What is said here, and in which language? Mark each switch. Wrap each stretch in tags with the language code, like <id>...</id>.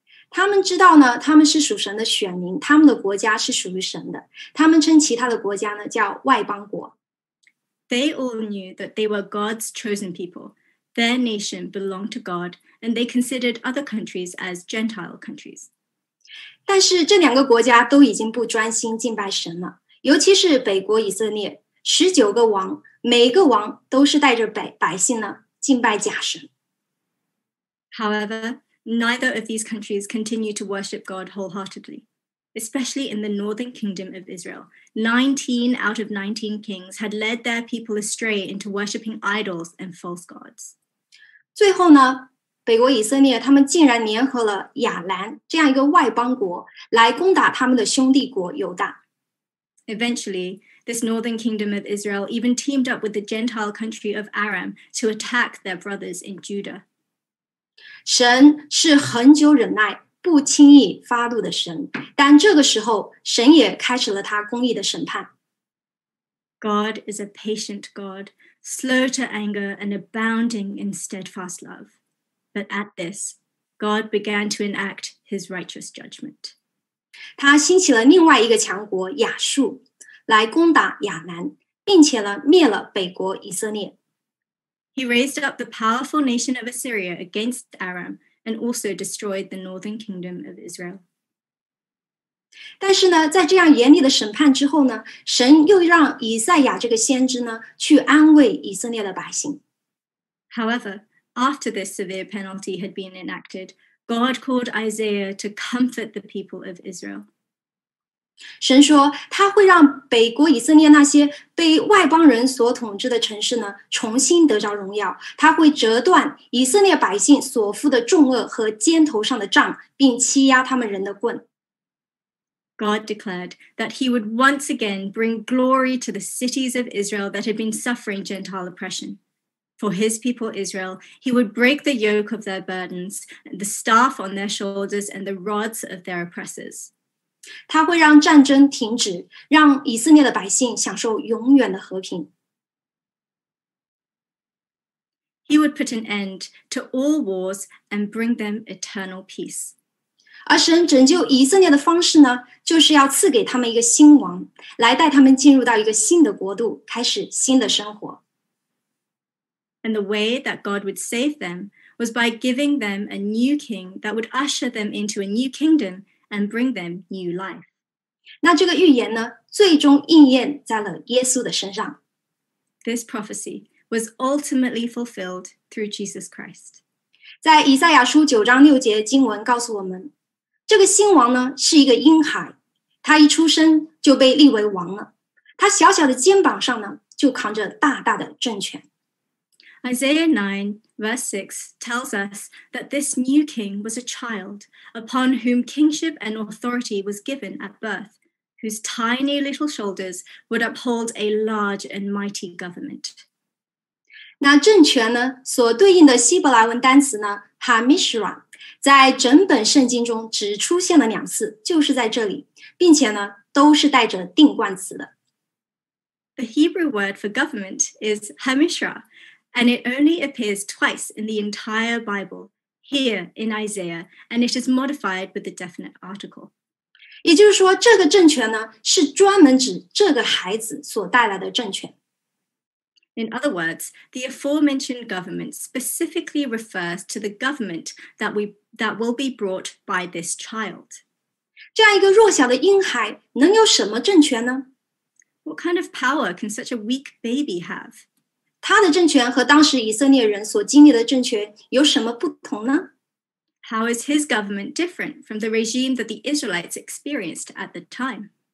<zh>他们知道呢，他们是属神的选民，他们的国家是属于神的。他们称其他的国家呢叫外邦国。</zh> <en>They all knew that they were God's chosen people. Their nation belonged to God, and they considered other countries as Gentile countries.</en> <zh>但是这两个国家都已经不专心敬拜神了。尤其是北国以色列，十九个王，每个王都是带着百姓呢敬拜假神。</zh> <en>However, neither of these countries continue to worship God wholeheartedly, especially in the northern kingdom of Israel. 19 out of 19 kings had led their people astray into worshiping idols and false gods.</en> <zh>最后呢，北国以色列他们竟然联合了亚兰这样一个外邦国来攻打他们的兄弟国犹大。</zh> <en>Eventually, this northern kingdom of Israel even teamed up with the Gentile country of Aram to attack their brothers in Judah.</en> <zh>神是很久忍耐，不轻易发怒的神，但这个时候，神也开始了他公义的审判。</zh> <en>God is a patient God, slow to anger and abounding in steadfast love. But at this, God began to enact his righteous judgment.</en> <zh>他兴起了另外一个强国亚述来攻打亚南，并且呢灭了北国以色列。</zh> <en>He raised up the powerful nation of Assyria against Aram and also destroyed the northern kingdom of Israel.</en> <zh>但是呢，在这样严厉的审判之后呢，神又让以赛亚这个先知呢去安慰以色列的百姓。</zh> <en>However, after this severe penalty had been enacted,God called Isaiah to comfort the people of Israel.</en> <zh>神说他会让北国以色列那些被外邦人所统治的城市呢重新得着荣耀。他会折断以色列百姓所负的重轭和肩头上的杖，并欺压他们人的棍。</zh> <en>God declared that he would once again bring glory to the cities of Israel that had been suffering Gentile oppression. For his people Israel, he would break the yoke of their burdens, the staff on their shoulders, and the rods of their oppressors.</en> <zh>他会让战争停止，让以色列的百姓享受永远的和平。</zh> <en>He would put an end to all wars and bring them eternal peace.</en> <zh>而神拯救以色列的方式呢，就是要赐给他们一个新王，来带他们进入到一个新的国度，开始新的生活。</zh> <en>And the way that God would save them was by giving them a new king that would usher them into a new kingdom and bring them new life.</en> <zh>那这个预言呢，最终应验在了耶稣的身上。</zh> <en>This prophecy was ultimately fulfilled through Jesus Christ.</en> <zh>在以赛亚书九章六节经文告诉我们，这个新王呢是一个婴孩，他一出生就被立为王了，他小小的肩膀上呢就扛着大大的政权。</zh> <en>Isaiah 9 verse 6 tells us that this new king was a child upon whom kingship and authority was given at birth, whose tiny little shoulders would uphold a large and mighty government.</en> <zh>那政权呢所对应的希伯来文单词呢 Hamishra 在整本圣经中只出现了两次，就是在这里，并且呢都是带着定冠词的。</zh> <en>The Hebrew word for government is Hamishra, and it only appears twice in the entire Bible, here in Isaiah, and it is modified with a definite article.</en> <zh>也就是说，这个政权呢，是专门指这个孩子所带来的政权。</zh> <en>In other words, the aforementioned government specifically refers to the government that will be brought by this child.</en> <zh>这样一个弱小的婴孩能有什么政权呢？</zh> <en>What kind of power can such a weak baby have?</en> <zh>他的政权和当时以色列人所经历的政权有什么不同呢？</zh> <en>How is his government different from the regime that the Israelites experienced at the time?</en>